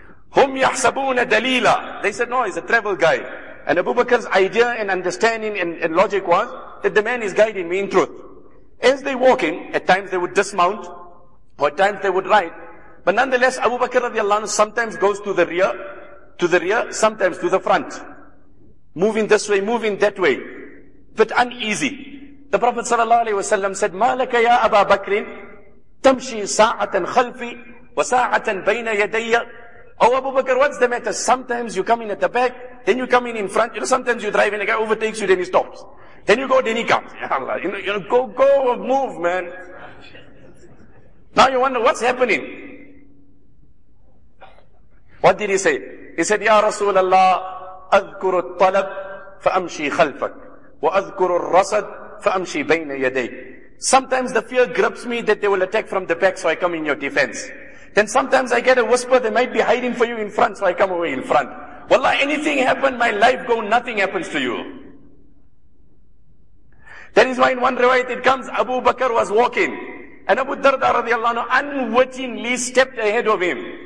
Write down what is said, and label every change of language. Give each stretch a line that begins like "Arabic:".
Arabic: Hum yahsabuna dalila.
English: They said, no, he's a travel guide. And Abu Bakr's idea and understanding and logic was that the man is guiding me in truth. As they walk in, at times they would dismount, or at times they would ride. But nonetheless, Abu Bakr radiallahu anhu sometimes goes to the rear, sometimes to the front. Moving this way, moving that way. But uneasy.
Arabic: The Prophet sallallahu alaihi wasallam said, مَا لَكَ يَا أَبَا بَكْرٍ تَمْشِي سَاعَةً خَلْفِي وَسَاعَةً بَيْنَ يَدَيَّ.
English: Oh Abu Bakr, what's the matter? Sometimes you come in at the back, then you come in front. You know, sometimes you drive in, a guy overtakes you, then he stops. Then you go, then he comes. Ya Allah, you know, go, move, man. Now you wonder, what's happening? What did he say?
Arabic: He said, يَا رَسُولَ اللَّهِ أَذْكُرُ الطَّلَبْ فَأَمْشِي خَلْفَكْ وَأَذْكُرُ الرَّسَدْ فَأَمْشِي بَيْنَ يَدَيْكْ.
English: Sometimes the fear grips me that they will attack from the back, so I come in your defense. Then sometimes I get a whisper, they might be hiding for you in front, so I come away in front. Wallah, anything happen, my life go, nothing happens to you. That is why in one riwayat it comes, Abu Bakr was walking, and Abu Darda radiallahu anhu unwittingly stepped ahead of him.